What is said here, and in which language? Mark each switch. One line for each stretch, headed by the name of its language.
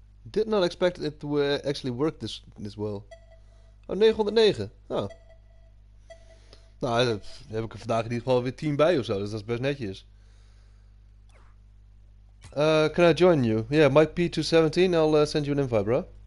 English: Did not expect it to actually work this well. Oh, 909. Oh.
Dutch: Nou, dat heb ik er vandaag in ieder geval weer 10 bij of zo, dus dat is best netjes.
English: Can I join you? Yeah, my P217, I'll send you an invite, bro.